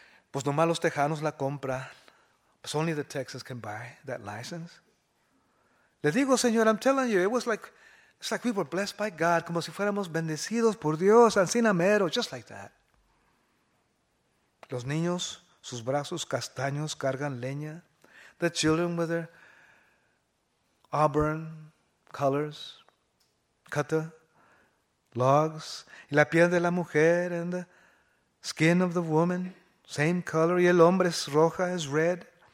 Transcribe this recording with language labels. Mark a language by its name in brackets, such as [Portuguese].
[Spanish] Pues nomás los tejanos la compra. Pues [English] only the Texans can buy that license. [Spanish] Le digo, Señor, [English] I'm telling you, it's like we were blessed by God, [Spanish] como si fuéramos bendecidos por Dios, [English] ancinamero, just like that. [Spanish] Los niños, sus brazos castaños, cargan leña. [English] The children with their auburn colors, cut the logs. [Spanish] Y la piel de la mujer [English] and the skin of the woman, same color, [Spanish] y el hombre es roja, es [English] red.